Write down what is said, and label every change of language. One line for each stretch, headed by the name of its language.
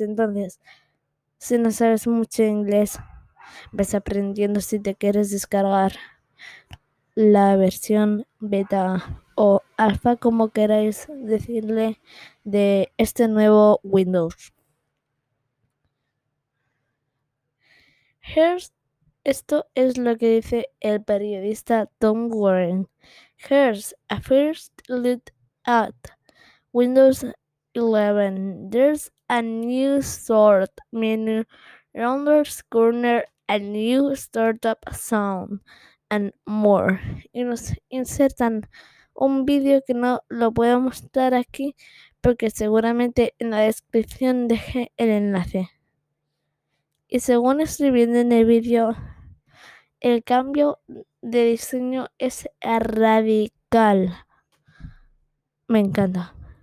Spanish: Entonces, si no sabes mucho inglés, ves aprendiendo si te quieres descargar la versión beta o alfa, como queráis decirle, de este nuevo Windows. Esto es lo que dice el periodista Tom Warren.
English: Here's a first look at Windows 11. There's a new sort menu, rounders corner, a new startup sound, and more.
Spanish: Y nos insertan un vídeo que no lo puedo mostrar aquí porque seguramente en la descripción dejé el enlace. Y según estoy viendo en el vídeo, el cambio de diseño es radical. Me encanta.